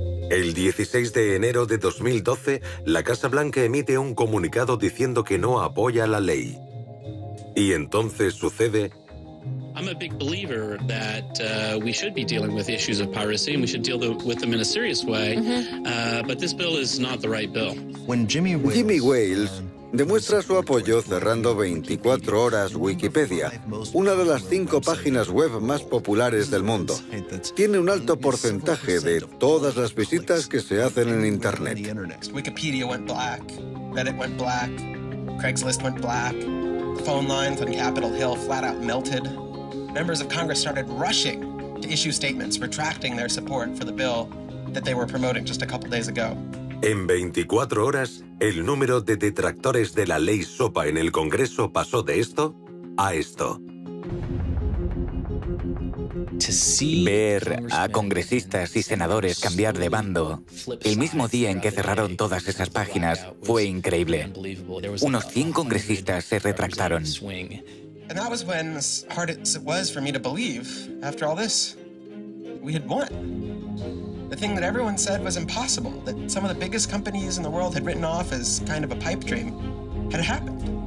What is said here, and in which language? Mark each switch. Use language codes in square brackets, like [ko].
[es] El 16 de enero de 2012, la Casa Blanca emite un comunicado diciendo que no apoya la ley. Y entonces sucede... [en] I'm a big believer that we should be dealing with issues of piracy and we should deal with them in a serious way. But this bill is not the right bill. When [es] Jimmy Wales demuestra su apoyo cerrando 24 horas Wikipedia, una de las 5 páginas web más populares del mundo. Tiene un alto porcentaje de todas las visitas que se hacen en Internet. [en] Wikipedia went black, Reddit went black, Craigslist went black, the phone lines on Capitol Hill flat out melted. Members of Congress started rushing to issue statements retracting their support for the bill that they were promoting just a couple days ago. [es] En 24 horas, el número de detractores de la ley SOPA en el Congreso pasó de esto a esto. Ver a congresistas y senadores cambiar de bando el mismo día en que cerraron todas esas páginas fue increíble. Unos 100 congresistas se retractaron. [en] And that was when as hard as it was for me to believe, after all this, we had won. The thing that everyone said was impossible, that some of the biggest companies in the world had written off as kind of a pipe dream, had happened.